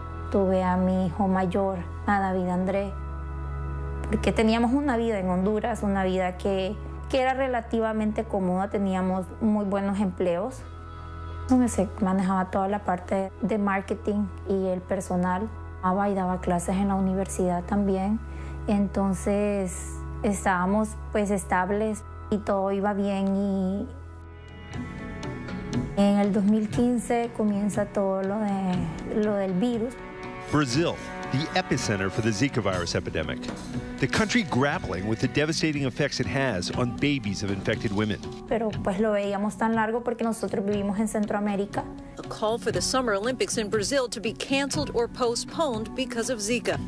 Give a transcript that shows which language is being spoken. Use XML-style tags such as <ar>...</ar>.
<es>Tuve a mi hijo mayor, a David André, porque teníamos una vida en Honduras, una vida que era relativamente cómoda, teníamos muy buenos empleos, donde se manejaba toda la parte de marketing y el personal. Daba y daba clases en la universidad también, entonces estábamos pues estables y todo iba bien. Y en el 2015 comienza todo lo del virus.</es> <en>Brazil, the epicenter for the Zika virus epidemic. The country grappling with the devastating effects it has on babies of infected women.</en> <es>Pero pues lo veíamos tan largo porque nosotros vivimos en Centroamérica.</es> <en>A call for the Summer Olympics in Brazil to be canceled or postponed because of Zika.</en>